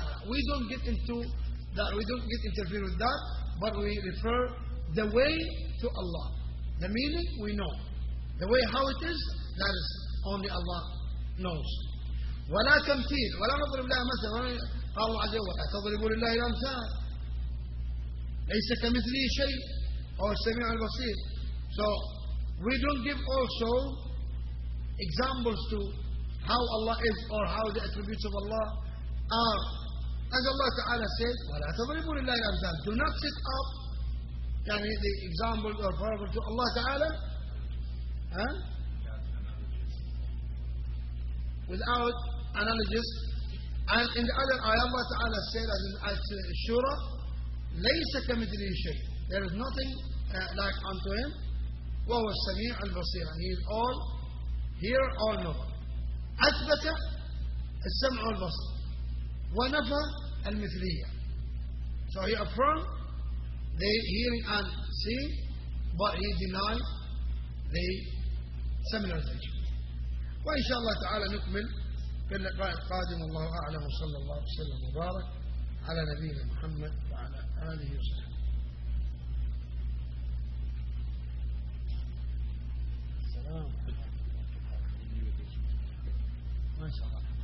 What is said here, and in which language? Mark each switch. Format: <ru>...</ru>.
<en>We don't get into that, we don't get interfere with that, but we refer the way to Allah. The meaning we know. The way how it is, that is only Allah knows.</en> <ar>ولا تمثيل ولا نضرب لها مثلا, قال الله عز وجل تضربوا لله الأمثال ليس كمثله شيء أو السميع البصير.</ar> <en>So we don't give also examples to how Allah is or how the attributes of Allah are. As Allah تعالى said</en> <ar>ولا تضربوا لله الأمثال,</ar> <en>do not set up the example or parable to Allah تعالى without analogous. And in the other ayah, Allah Ta'ala said as in Shura,</en> <ar>لَيْسَ كَمِدْلِهِ شَيْءٍ,</ar> <en>there is nothing like unto him,</en> <ar>وَهُوَ السَّمِيعُ الْبَصِيرُ,</ar> <en>he is all here, all known.</en> <ar>أَثْبَتَ السَّمْعُ الْبَصِيرُ وَنَفَى الْمِثْلِيَّةِ,</ar> <en>so he affirmed the hearing and seeing, but he denied the similar thing.</en> <ar>وإن شاء الله تعالى نكمل في اللقاء القادم. الله أعلم, صلى الله عليه وسلم مبارك على نبينا محمد وعلى آله وصحبه. السلام عليكم ورحمة الله.</ar>